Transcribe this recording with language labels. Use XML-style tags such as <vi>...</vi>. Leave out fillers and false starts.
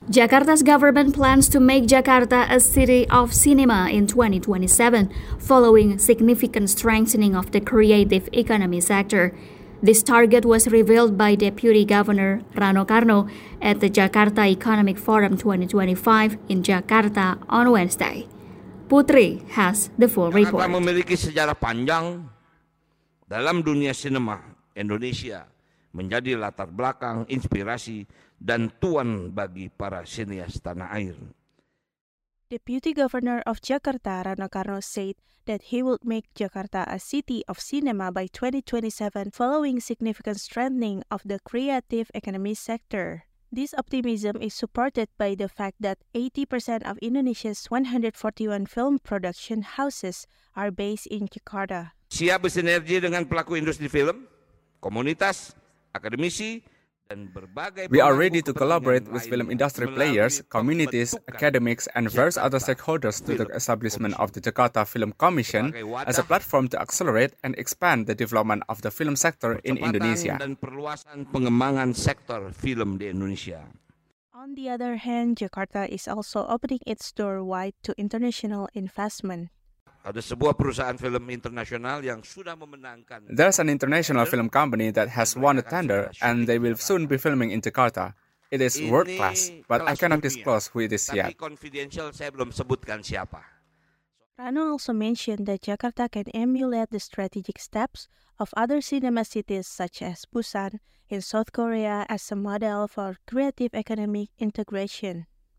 <en>Jakarta's government plans to make Jakarta a city of cinema in 2027, following significant strengthening of the creative economy sector. This target was revealed by Deputy Governor Rano Karno at the Jakarta Economic Forum 2025 in Jakarta on Wednesday. Putri has the full Jakarta report.</en> <id>Jakarta memiliki sejarah panjang dalam dunia sinema Indonesia, menjadi latar belakang, inspirasi, dan tuan bagi para sineas tanah air.</id> <en>Deputy Governor of Jakarta, Rano Karno, said that he would make Jakarta a city of cinema by 2027 following significant strengthening of the creative economy sector. This optimism is supported by the fact that 80% of Indonesia's 141 film production houses are based in Jakarta.</en> <id>Siap bersinergi dengan pelaku industri film, komunitas, akademisi, dan berbagai...</id> <en>We are ready to collaborate with film industry players, communities, academics, and various other stakeholders to the establishment of the Jakarta Film Commission as a platform to accelerate and expand the development of the film sector in Indonesia.</en> <id>Dan perluasan pengembangan sektor film di Indonesia.</id> <en>On the other hand, Jakarta is also opening its door wide to international investment.</en> <id>Ada sebuah perusahaan film internasional yang sudah memenangkan.</id> <en>There's an international film company that has won a tender and they will soon be filming in Jakarta. It is world class, but I cannot disclose who it is yet.</en> <id>Tapi confidential, saya belum sebutkan siapa.</id> <en>Rano also mentioned that Jakarta can emulate the strategic steps of other cinema cities such as Busan in South Korea as a model for creative economic integration.</en>